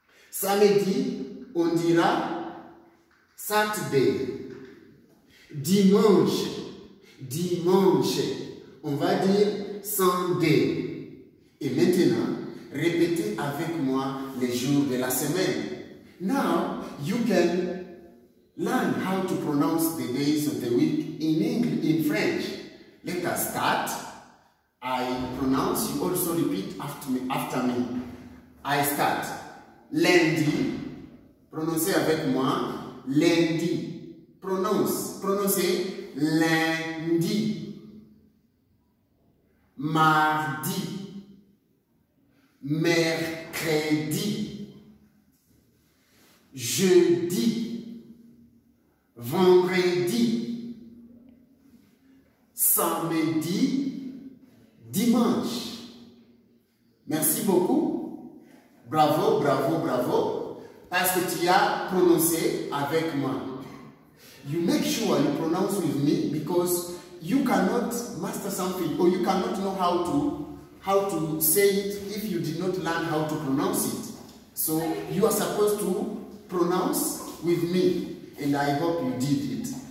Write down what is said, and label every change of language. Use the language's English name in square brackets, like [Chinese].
[French] Samedi, on dira Saturday. Dimanche, dimanche, on va dire Sunday. Et maintenant, répétez avec moi les jours de la semaine. [English] Now, you can learn how to pronounce the days of the week in English, in French. Let us start. I pronounce, you also repeat after me. I start. [French] Lundi, prononcez avec moi, lundi, prononcez lundi, mardi, mercredi, jeudi, vendredi, samedi, dimanche. Merci beaucoup. Bravo, bravo, bravo, parce que tu as prononcé avec moi. [English] You make sure you pronounce with me because you cannot master something or you cannot know how to say it if you did not learn how to pronounce it. So you are supposed to pronounce with me and I hope you did it.